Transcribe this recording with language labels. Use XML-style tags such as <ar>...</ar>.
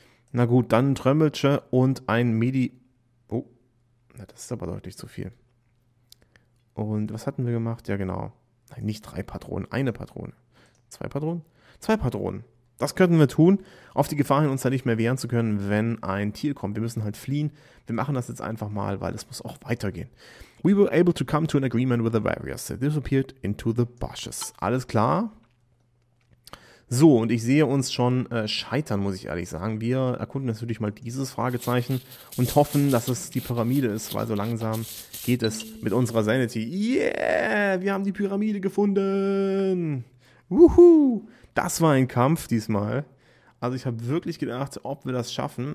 <de>Na gut, dann ein Trömmelsche und ein Medi. Oh, na, das ist aber deutlich zu viel. Und was hatten wir gemacht? Ja, genau. Nein, nicht drei Patronen, eine Patrone. Zwei Patronen? Zwei Patronen. Das könnten wir tun, auf die Gefahr hin, uns da nicht mehr wehren zu können, wenn ein Tier kommt. Wir müssen halt fliehen. Wir machen das jetzt einfach mal, weil es muss auch weitergehen.</de> <en>We were able to come to an agreement with the warriors. They disappeared into the bushes.</en> <de>Alles klar. So, und ich sehe uns schon scheitern, muss ich ehrlich sagen. Wir erkunden natürlich mal dieses Fragezeichen und hoffen, dass es die Pyramide ist, weil so langsam geht es mit unserer Sanity. Yeah, wir haben die Pyramide gefunden. Wuhu, das war ein Kampf diesmal. Also ich habe wirklich gedacht, ob wir das schaffen.</de>